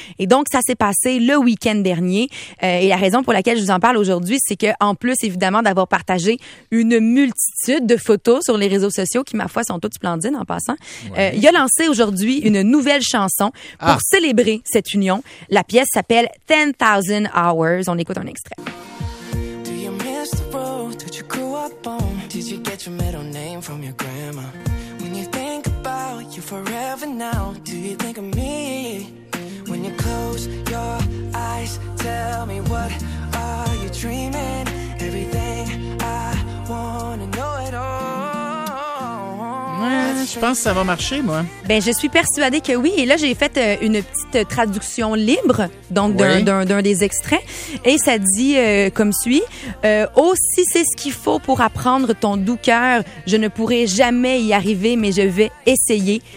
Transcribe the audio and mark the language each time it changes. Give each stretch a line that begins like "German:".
French: Et donc, ça s'est passé le week-end dernier. Et la raison pour laquelle je vous en parle aujourd'hui, c'est qu'en plus, évidemment, d'avoir partagé une multitude de photos sur les réseaux sociaux, qui, ma foi, sont toutes splendides en passant, il a lancé aujourd'hui une nouvelle chanson pour célébrer cette union. La pièce s'appelle 10,000 Hours. On écoute un extrait.
English: Do you miss the road that you grew up on? Did you get your middle name from your grandma? When you think about you forever now, do you think of me? When you close your eyes, tell me what are you dreaming? Everything I wanna know it all.
French: Je pense que ça va marcher, moi. Ben, je suis persuadée que oui. Et là, j'ai fait une petite traduction libre, donc d'un des extraits. Et ça dit comme suit. Oh, si c'est ce qu'il faut pour apprendre ton doux cœur, je ne pourrai jamais y arriver, mais je vais essayer.